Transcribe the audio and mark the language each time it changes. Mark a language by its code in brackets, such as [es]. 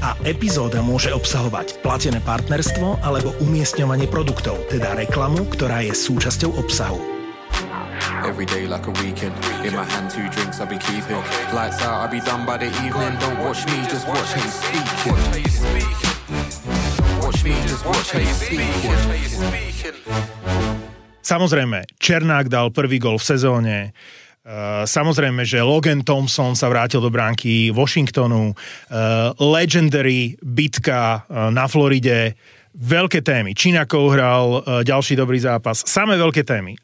[sk] A epizóda môže obsahovať platené partnerstvo alebo umiestňovanie produktov, teda reklamu, ktorá je súčasťou obsahu. [en] Every day like a weekend, in my hand two drinks I'll be keeping. Lights out, I'll be done by the evening. Don't watch me, just watch how you speak. Watch me, just watch how you speak. Watch how you speak. [sk] Samozrejme, Černák dal prvý gol v sezóne. Samozrejme, že Logan Thompson sa vrátil do bránky Washingtonu. Legendary bitka na Floride. Veľké témy. Čínakov hral ďalší dobrý zápas. Samé veľké témy.